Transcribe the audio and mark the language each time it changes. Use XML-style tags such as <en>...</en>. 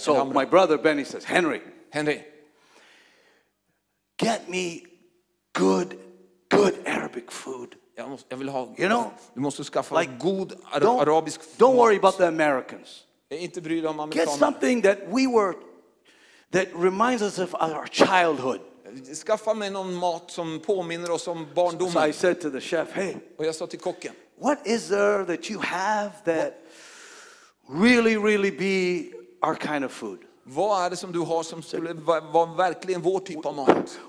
<en>So my brother Benny says, Henry, get me good Arabic food.</en> <sv>Jag vill ha,</sv> <en>you know,</en> <sv>du måste skaffa</sv> <en>like</en> <sv>god arabisk.</sv> <en>Don't worry about the Americans.</en> <sv>Inte bry dig om amerikanerna.</sv> <en>Get something that we were, that reminds us of our childhood.</en> <sv>Skaffa mig någon mat som påminner oss om barndomen.</sv> <en>So I said to the chef, hey.</en> <sv>Och jag sa till kocken.</sv> <en>What is there that you have that really, really be our kind of food?</en> <sv>Vad är det som du har som skulle vara verkligen vår typ av mat?</sv>